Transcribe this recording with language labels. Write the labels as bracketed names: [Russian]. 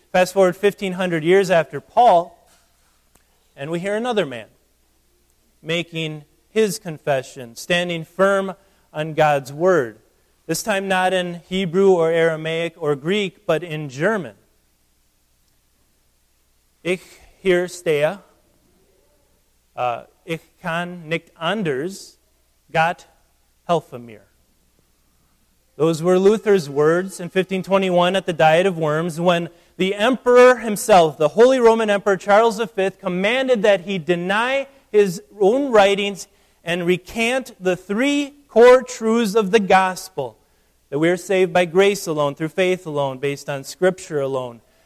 [English] Fast forward 1,500 years after Paul, and we hear another man making his confession, standing firm on God's word. This time not in Hebrew or Aramaic or Greek, but in German. [German] Ich hier stehe, ich kann nicht anders, Gott helfe mir. [English] Those were Luther's words in 1521 at the Diet of Worms when the emperor himself, the Holy Roman Emperor Charles V, commanded that he deny his own writings and recant the three core truths of the gospel, that we are saved by grace alone, through faith alone, based on scripture alone.